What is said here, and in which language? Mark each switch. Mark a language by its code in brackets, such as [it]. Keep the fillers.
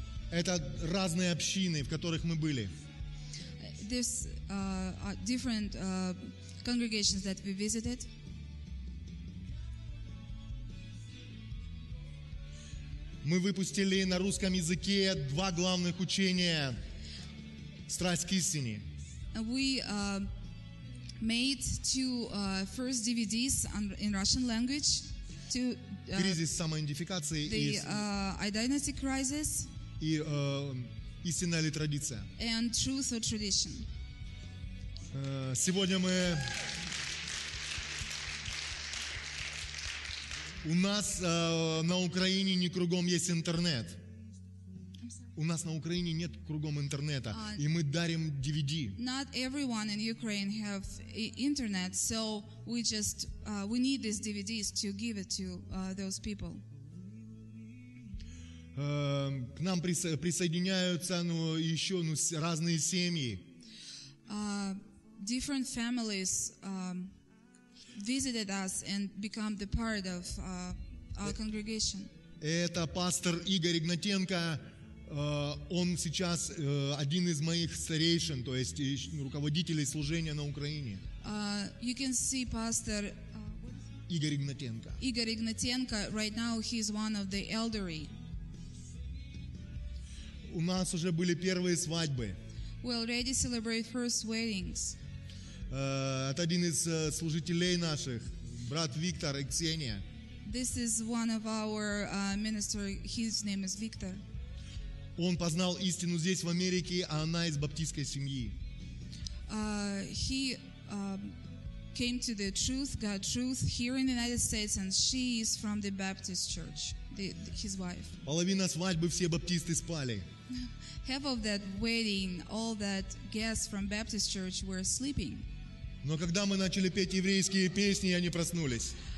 [ru] Это разные общины, в которых мы были. [en] There's uh, different uh, congregations that we visited. [ru] Мы выпустили на русском языке два главных учения «Страсть к истине» [en] we uh, made two uh, first DVDs on, in Russian language to uh, [ru] кризис самоидентификации the, [en] uh, identity crisis [ru] и uh, истинная ли традиция [en] and truth or tradition [ru] uh, сегодня мы у нас uh, на Украине не кругом есть интернет. У нас на Украине нет кругом интернета, uh, и мы дарим DVD. [en] Not everyone in Ukraine have internet, so we just uh, we need these DVDs to give it to uh, those people. [ru] Uh, к нам присо- присоединяются, ну, еще, ну, разные семьи. [en] Uh, different families um, visited us and become the part of uh, our congregation. [ru] Это пастор Игорь Игнатенко он сейчас один из моих старейшин, то есть руководителей служения на Украине. [en] you can see pastor, [ru] Игорь Игнатенко. [en] Игорь Игнатенко, right now he is one of the elderly. [ru] У нас уже были первые свадьбы. [en] We already celebrate first weddings. [ru] это один из служителей наших, брат Виктор и Ксения. [en] This is one of our uh, minister. His name is Victor. Виктор. [ru] Он познал истину здесь, в Америке, а она из баптистской семьи. [en] Uh, he, um... came to the truth, God truth, here in the United States, and she is from the Baptist church, the, his wife. [ru] Половина свадьбы все баптисты спали. [en] Half of that wedding, all that guests from Baptist church were sleeping. [ru] Но когда мы начали петь еврейские песни, они проснулись.